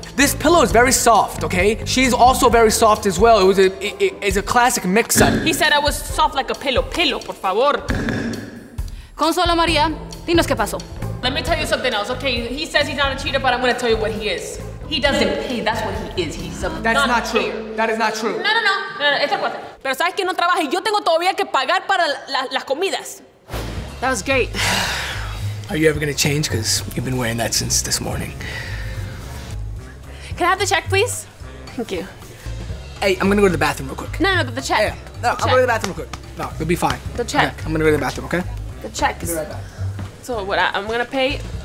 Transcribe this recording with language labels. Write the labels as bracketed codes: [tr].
[en] This pillow is very soft, okay? She's also very soft as well. It's a classic mix-up. He said I was soft like a pillow. Pillow, [es] por favor. Consuelo María, dinos qué pasó. [en] Let me tell you something else, okay? He says he's not a cheater, but I'm gonna tell you what he is. He doesn't pay, that's what he is. That is not true. [es] No, esto es cuate. Pero sabes que no trabaja y yo tengo todavía que pagar para las comidas. [en] That was great. Are you ever gonna change? Because you've been wearing that since this morning. Can I have the check, please? Thank you. Hey, I'm gonna go to the bathroom real quick. No, the check. Yeah. No, the I'll check. Go to the bathroom real quick. No, you'll be fine. The check. Right, I'm gonna go to the bathroom, okay? The check. Be right back. So what, I'm gonna pay?